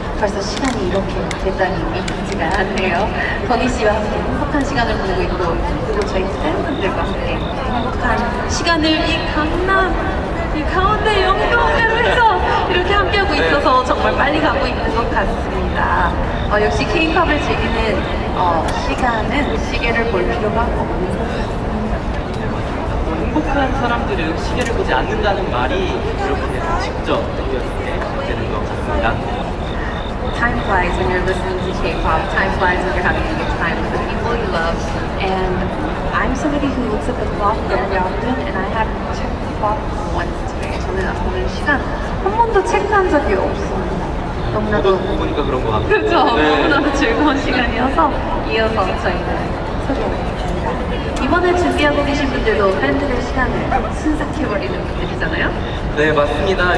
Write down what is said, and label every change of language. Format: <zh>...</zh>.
<ko>벌써 시간이 이렇게 됐다니 믿기지가 않네요. 건희 씨와 함께 행복한 시간을 보내고 있고 그리고 저희 팬분들과 함께 행복한 시간을 이 강남, 이 강원대 영동대로에서 이렇게 함께하고 있어서 정말 빨리 가고 있는 것 같습니다. 역시 K-POP을 즐기는 시간은 시계를 볼 필요가 없는 것 같습니다. 행복한 사람들은 시계를 보지 않는다는 말이 여러분들 직접 느껴지는 것 같습니다.</ko> <en>Time flies when you're listening to K-pop. Time flies when you're having a good time with the people you love. And I'm somebody who looks at the clock very often, and I haven't checked the clock once today.</en> <ko>저는 오늘 시간 한 번도 체크한 적이 없습니다. 너무나도 보니까 그런 것 같아요. 그렇죠. 네. 너무나도 즐거운 시간이어서 이어서 저희는 소개. 이번에 준비하고 계신 분들도 팬들의 시간을 순삭해버리는 분들이잖아요? 네, 맞습니다.</ko>